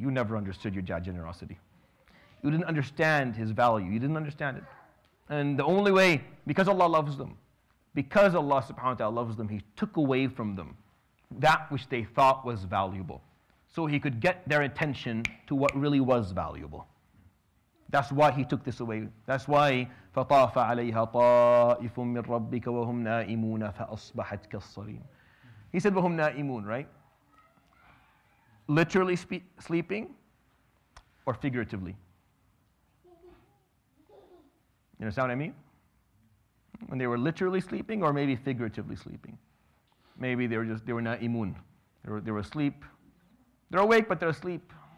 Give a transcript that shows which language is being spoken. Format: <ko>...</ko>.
<en>You never understood your dad's generosity. You didn't understand his value. You didn't understand it. And the only way, because Allah loves them, because Allah subhanahu wa ta'ala loves them, he took away from them that which they thought was valuable so he could get their attention to what really was valuable. That's why he took this away. That's why,</en> <ar>فَطَافَ عَلَيْهَا طَائِفٌ مِّن رَبِّكَ وَهُمْ نَائِمُونَ فَأَصْبَحَتْ كَالصَّرِيمِ.</ar> <en>He said,</en> <ar>وَهُمْ نَائِمُونَ,</ar> <en>right? Literally sleeping or figuratively? You understand what I mean? When they were literally sleeping or maybe figuratively sleeping. Maybe they were na'imun. They were asleep. They're awake, but they're asleep.</en>